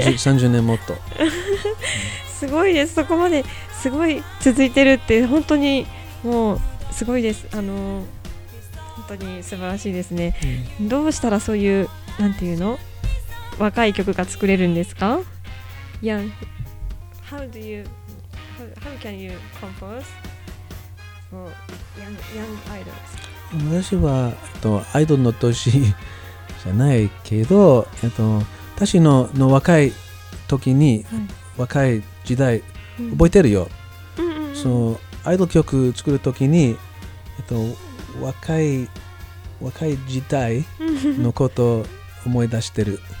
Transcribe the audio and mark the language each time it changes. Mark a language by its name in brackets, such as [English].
[Japanese] 30年もっとすごいです。そこまですごい続いてるって本当にもうすごいです、本当に素晴らしいですね、うん、どうしたらそういうなんていうの若い曲が作れるんですか。 [English] いや How can you compose for young idols? [Japanese] 私はアイドルの年じゃないけど、私 の若い時に、はい、若い時代、うん、覚えてるよ、うんうんうん、そのアイドル曲作る時に、若い時代のことを思い出してる